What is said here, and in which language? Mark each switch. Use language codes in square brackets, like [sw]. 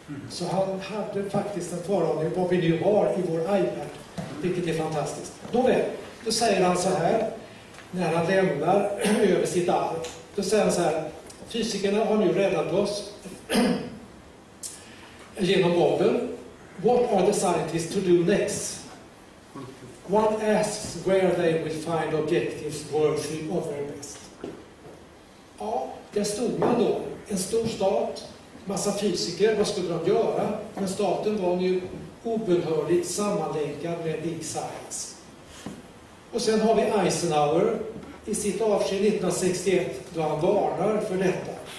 [sv] Så han hade faktiskt en förhållning vad vi nu har i vår iPad, vilket är fantastiskt. Nåväl, då säger han så här, när han lämnar över sitt arv, då säger han så här, fysikerna har nu räddat oss genom Babel. [en] What are the scientists to do next? One asks where they will find objectives worthy of their best. [sv] Ja, där stod man då. En stor stat, massa fysiker, vad skulle de göra? Men staten var nu obehörligt sammanlänkad med Big Science. Och sen har vi Eisenhower i sitt avsked 1961, då han varnar för detta.